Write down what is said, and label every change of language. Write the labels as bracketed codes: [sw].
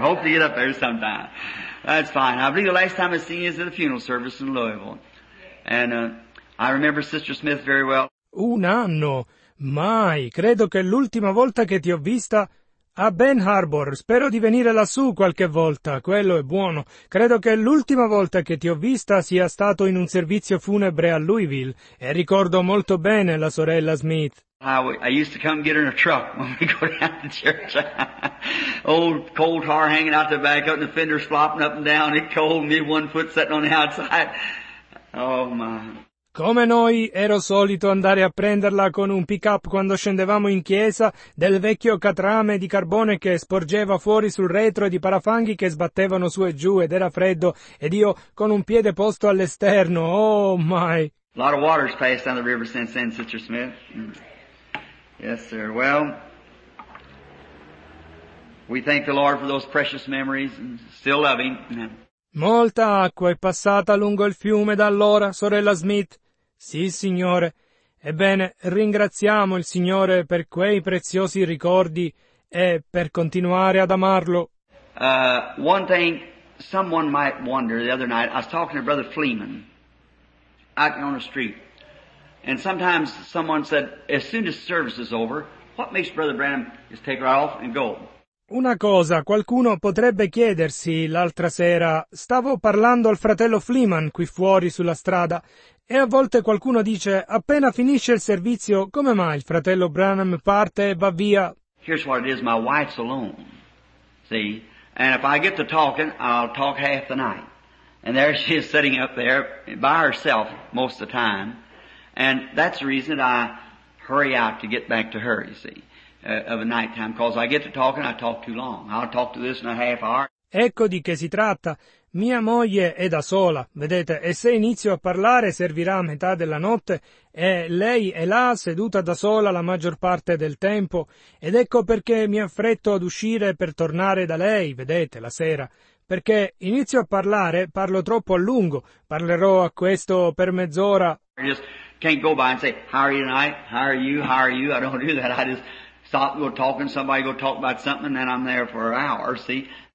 [en] Hope to get up there sometime. That's fine. I believe the last time I seen you is at the funeral service in Louisville. And I remember Sister Smith very well. [it] Un anno? Mai. Credo che l'ultima volta che ti ho vista a Benton Harbor. Spero di venire lassù qualche volta. Quello è buono. Credo che l'ultima volta che ti ho vista sia stato in un servizio funebre a Louisville. E ricordo molto bene la sorella Smith. [en] I used to come get her in a truck when we go down to church. Old cold tar hanging out the back up and the fenders flopping up and down. It cold, me one foot sitting on the outside. Oh my. [it] Come noi, ero solito andare a prenderla con un pick-up quando scendevamo in chiesa, del vecchio catrame di carbone che sporgeva fuori sul retro e di parafanghi che sbattevano su e giù ed era freddo, ed io con un piede posto all'esterno. [en] Oh, my! A lot of water's passed down the river since then, Sister Smith. Yes, sir. Well, we thank the Lord for those precious memories and still love him. [it] Molta acqua è passata lungo il fiume da allora, sorella Smith. Sì, Signore. Ebbene, ringraziamo il Signore per quei preziosi ricordi e per continuare ad amarlo. [en] One thing someone might wonder the other night, I was talking to Brother Fleeman out on the street, and sometimes someone said, as soon as service is over, what makes Brother Branham just take right off and go? [it] Una cosa, qualcuno potrebbe chiedersi l'altra sera, stavo parlando al fratello Fleeman qui fuori sulla strada, e a volte qualcuno dice, appena finisce il servizio, come mai il fratello Branham parte e va via? [en] Here's what it is, my wife's alone, see, and if I get to talking, I'll talk half the night, and there she is sitting up there by herself most of the time, and that's the reason I hurry out to get back to her, you see. Of a night time, 'cause I get to talking, I talk too long. I'll talk to this in a half hour. [it] Ecco di che si tratta. Mia moglie è da sola, vedete, e se inizio a parlare servirà a metà della notte, e lei è là seduta da sola la maggior parte del tempo, ed ecco perché mi affretto ad uscire per tornare da lei, vedete, la sera. Perché inizio a parlare, parlo troppo a lungo, parlerò a questo per mezz'ora. [en] I just can't go by and say, how are you tonight? How are you? I don't do that. I just stop, go talking, somebody go talk about something, and then I'm there for an hour, see?